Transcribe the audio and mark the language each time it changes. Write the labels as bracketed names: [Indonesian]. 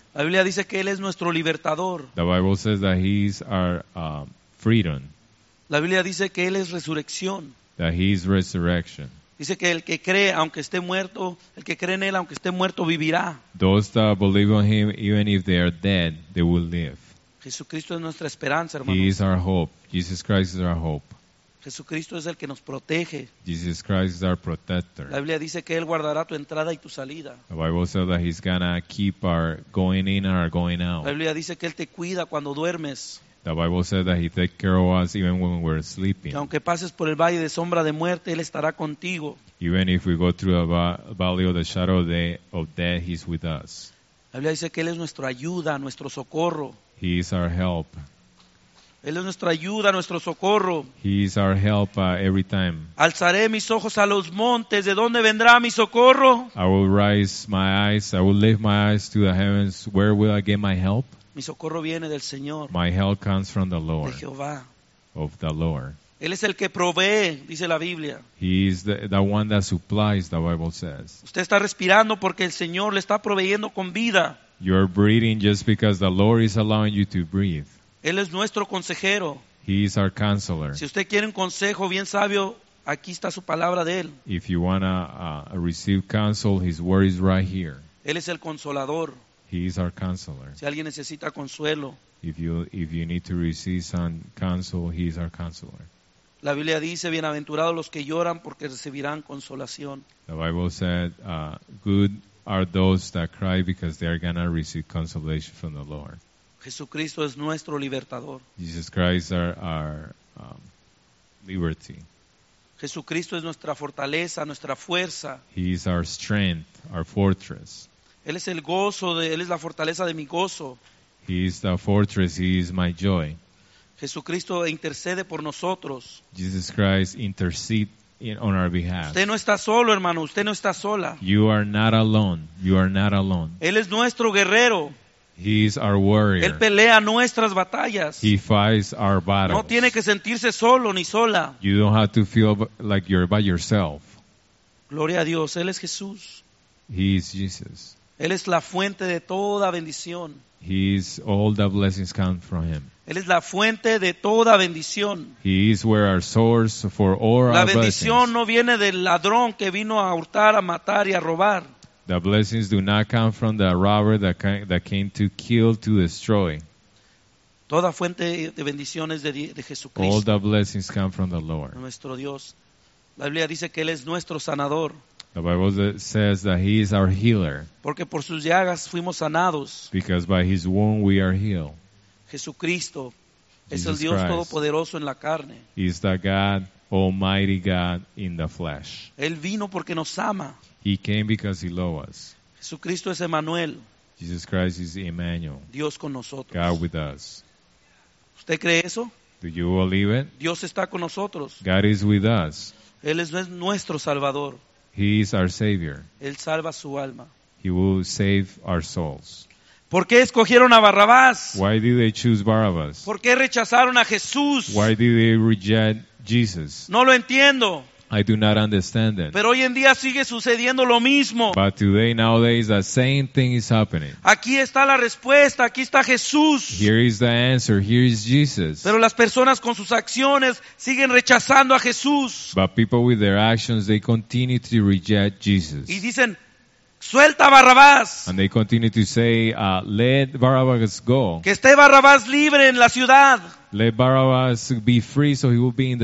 [Spanish] La Biblia dice que Él es nuestro libertador. [English] The Bible says that He is our freedom. [Spanish] La Biblia dice que Él es resurrección. [English] That He is resurrection. [Spanish] Dice que el que cree, aunque esté muerto, el que cree en Él, aunque esté muerto, vivirá. [English] Those that believe on Him, even if they are dead, they will live. [Spanish] Jesucristo es nuestra esperanza, hermano. [English] He is our hope. Jesus Christ is our hope. [Spanish] Jesucristo es el que nos protege. [English] Jesus Christ is our protector. [Spanish] La Biblia dice que Él guardará tu entrada y tu salida. [English] The Bible says that He's gonna keep our going in and our going out. [Spanish] La Biblia dice que Él te cuida cuando duermes. [English] The Bible says that He takes care of us even when we're sleeping. [Spanish] Y aunque pases por el valle de sombra de muerte, Él estará contigo. [English] Even if we go through a valley of the shadow of death, He's with us. [Spanish] La Biblia dice que Él es nuestra ayuda, nuestro socorro. [English] He is our help. [Spanish] Él es nuestra ayuda, nuestro socorro. [English] He is our help every time. [Spanish] Alzaré mis ojos a los montes. ¿De dónde vendrá mi socorro? [English] I will raise my eyes. I will lift my eyes to the heavens. Where will I get my help? [Spanish] Mi socorro viene del Señor. [English] My help comes from the Lord. [Spanish] De Jehová. [English] Of the Lord. [Spanish] Él es el que provee, dice la Biblia. [English] He is the one that supplies, the Bible says. [Spanish] Usted está respirando porque el Señor le está proveyendo con vida. [English] You are breathing just because the Lord is allowing you to breathe. [Spanish] Él es nuestro consejero. [English] He is our counselor. [Spanish] Si usted quiere un consejo bien sabio, aquí está su palabra de Él. [English] If you want to receive counsel, His word is right here. [Spanish] Él es el consolador. [English] He is our counselor. [Spanish] Si alguien necesita consuelo. [English] If you need to receive some counsel, He is our counselor. [Spanish] La Biblia dice, bienaventurados los que lloran porque recibirán consolación. [English] The Bible said, good are those that cry because they are going to receive consolation from the Lord. [Spanish] Jesucristo es nuestro libertador. [English] Jesus Christ is our liberty. [Spanish] Jesucristo es nuestra fortaleza, nuestra fuerza. [English] He is our strength, our fortress. [Spanish] Él es el gozo, Él es la fortaleza de mi gozo. [English] He is the fortress, He is my joy. [Spanish] Jesucristo intercede por nosotros. [English] Jesus Christ intercedes on our behalf. [Spanish] Usted no está solo, hermano, usted no está sola. [English] You are not alone, you are not alone. [Spanish] Él es nuestro guerrero. [English] He is our warrior. [Spanish] Él pelea nuestras batallas. [English] He fights our battles. [Spanish] No tiene que sentirse solo ni sola. [English] You don't have to feel like you're by yourself. [Spanish] Gloria a Dios. Él es Jesús. [English] He is Jesus. [Spanish] Él es la fuente de toda bendición. [English] He is all the blessings come from Him. [Spanish] Él es la fuente de toda bendición. [English] He is where our source for all our blessings. [Spanish] La bendición no viene del ladrón que vino a hurtar, a matar y a robar. [English] The blessings do not come from the robber that came to kill, to destroy. [Spanish] Toda fuente de bendiciones de Jesucristo. [English] All the blessings come from the Lord. [Spanish] Nuestro Dios. La Biblia dice que Él es nuestro sanador. [English] The Bible says that He is our healer. [Spanish] Porque por sus llagas fuimos sanados. [English] Because by His wound we are healed. [Spanish] Jesucristo es el Dios todopoderoso en la carne. [English] Is the God, Almighty God in the flesh. [Spanish] Él vino porque nos ama. [English] He came because He loved us. [Spanish] Jesucristo es Emmanuel. [English] Jesus Christ is Emmanuel. [Spanish] Dios con nosotros. [English] God with us. [Spanish] ¿Usted cree eso? [English] Do you believe it? [Spanish] Dios está con nosotros. [English] God is with us. [Spanish] Él es nuestro Salvador. [English] He is our Savior. [Spanish] Él salva su alma. [English] He will save our souls. [Spanish] ¿Por qué escogieron a Barrabás? [English] Why did they choose Barabbas? [Spanish] ¿Por qué rechazaron a Jesús? [English] Why did they reject Jesus? [Spanish] No lo entiendo. [English] I do not understand them. [Spanish] Pero hoy en día sigue sucediendo lo mismo. [English] But today, nowadays, the same thing is happening. [Spanish] Aquí está la respuesta. Aquí está Jesús. [English] Here is the answer. Here is Jesus. [Spanish] Pero las personas con sus acciones siguen rechazando a Jesús. [English] But people with their actions, they continue to reject Jesus. [Spanish] Y dicen, suelta a Barrabás. [English] And they continue to say, let Barabbas go. [Spanish] Que esté Barrabás libre en la ciudad. [English] Let Barabbas be free so he will be in the